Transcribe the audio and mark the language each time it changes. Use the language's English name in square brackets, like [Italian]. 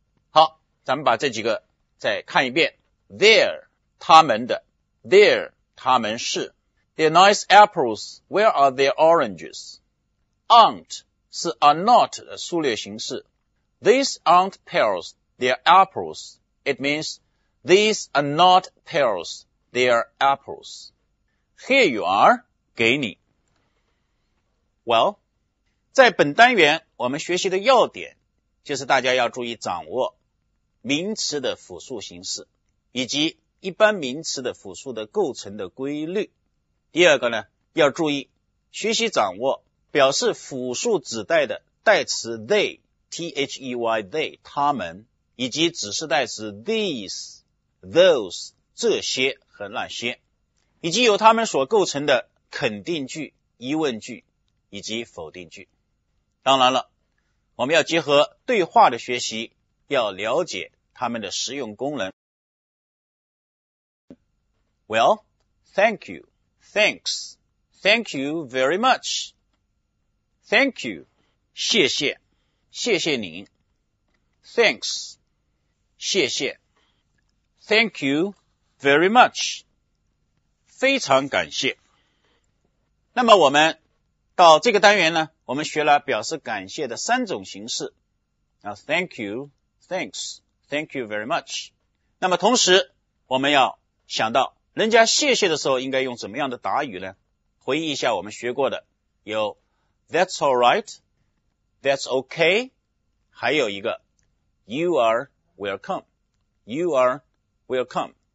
[English] 好咱们把这几个再看一遍 There [Chinese] 他们的 [English] There [Chinese] 他们是 [English] They're nice apples Where are their oranges Aren't 是 are not 的缩略形式 These aren't pears They're apples It means These are not pears They're apples Here you are [Chinese] 给你 Well 在本单元我们学习的要点就是大家要注意掌握名词的复数形式以及一般名词的复数的构成的规律。第二个呢要注意学习掌握表示复数指代的代词 they, T-H-E-Y, they, 他们以及指示代词 these, those, 这些和那些以及由他们所构成的肯定句、疑问句以及否定句。当然了我们要结合对话的学习要了解它们的实用功能。 [English] Well, thank you, thanks, thank you very much. Thank you, [Chinese] 谢谢谢谢您。 Thanks, 谢谢。 [English] Thank you very much, [Chinese] 非常感谢。那么我们到这个单元呢我们学了表示感谢的三种形式 [English] Thank you, thanks, thank you very much [Chinese] 那么同时我们要想到人家谢谢的时候应该用怎么样的答语呢回忆一下我们学过的有 [English] That's alright, that's okay [Chinese] 还有一个 [English] You are welcome You are welcome